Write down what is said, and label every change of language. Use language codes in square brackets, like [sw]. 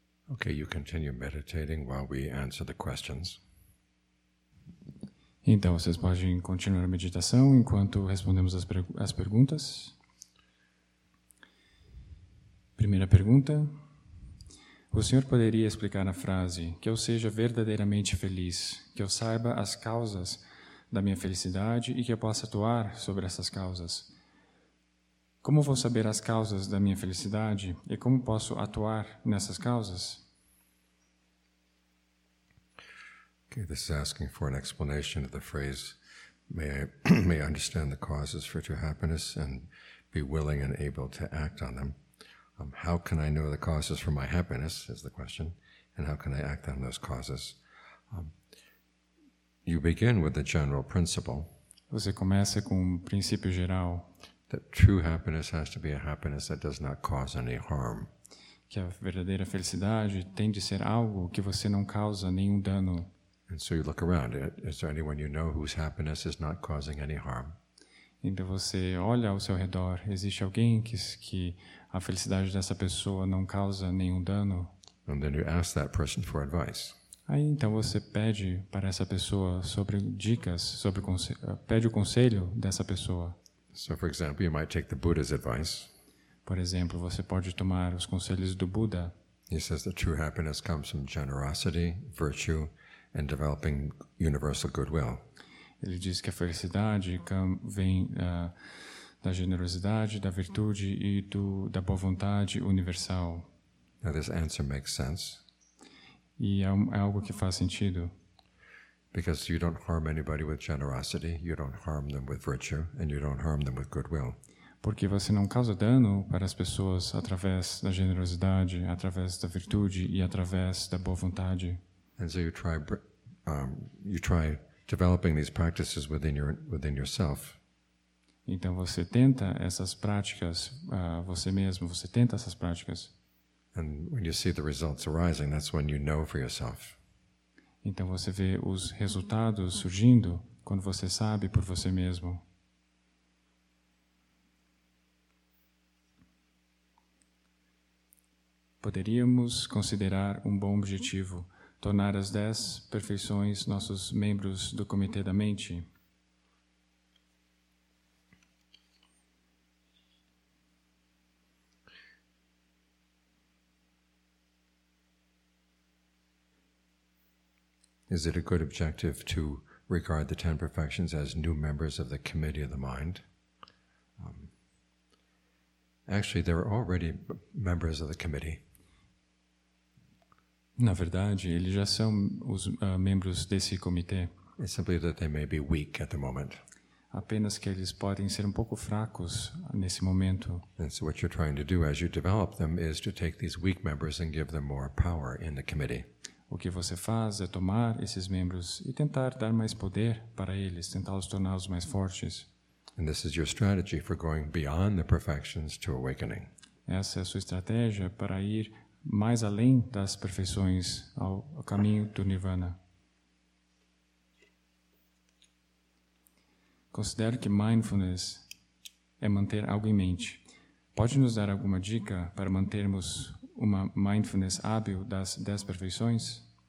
[en] Okay, you continue meditating while we answer the questions. [pt] Então, vocês podem continuar a meditação enquanto respondemos as perguntas. Primeira pergunta. O senhor poderia explicar na frase que eu seja verdadeiramente feliz, que eu saiba as causas da minha felicidade e que eu possa atuar sobre essas causas. Como vou saber as causas da minha felicidade e como posso atuar nessas causas? [en] Okay, this is asking for an explanation of the phrase, may I understand the causes for true happiness and be willing and able to act on them. How can I know the causes for my happiness, is the question, and how can I act on those causes? You begin with the general principle. [pt] Você começa com um princípio geral. [en] That true happiness has to be a happiness that does not cause any harm. [pt] Que a verdadeira felicidade tem de ser algo que você não causa nenhum dano. [en] And so you look around. Is there anyone you know whose happiness is not causing any harm? [pt] Então você olha ao seu redor. Existe alguém que a felicidade dessa pessoa não causa nenhum dano? [en] And then you ask that person for advice. [pt] Aí então você pede para essa pessoa sobre dicas, sobre pede o conselho dessa pessoa. [en] So, for example, you might take the Buddha's advice. [pt] Por exemplo, você pode tomar os conselhos do Buda. [en] He says that true happiness comes from generosity, virtue, and developing universal goodwill. [pt] Ele diz que a felicidade vem da generosidade, da virtude e da boa vontade universal. [en] Now this answer makes sense. [pt] E é algo que faz sentido. [en] Because you don't harm anybody with generosity, you don't harm them with virtue, and you don't harm them with goodwill. [pt] Porque você não causa dano para as pessoas através da generosidade, através da virtude e através da boa vontade. [en] And so you try developing these practices within yourself. [pt] Então você tenta essas práticas você mesmo, você tenta essas práticas. [en] And when you see the results arising, that's when you know for yourself. [pt] Então você vê os resultados surgindo quando você sabe por você mesmo. Poderíamos considerar um bom objetivo tornar as 10 perfeições nossos membros do Comitê da Mente? [en] Is it a good objective to regard the 10 perfections as new members of the Committee of the Mind? Actually, they're already members of the committee. [pt] Na verdade, eles já são os membros desse comitê. [en] It's simply that they may be weak at the moment. [pt] Apenas que eles podem ser um pouco fracos nesse momento. [en] And so what you're trying to do as you develop them is to take these weak members and give them more power in the committee. [pt] O que você faz é tomar esses membros e tentar dar mais poder para eles, tentá-los torná-los mais fortes. [en] And this is your strategy for going beyond the perfections to awakening. [pt] Essa é a sua estratégia para ir mais além das perfeições ao caminho do Nirvana. Considero que mindfulness é manter algo em mente. Pode nos dar alguma dica para mantermos uma mindfulness hábil das 10 perfeições?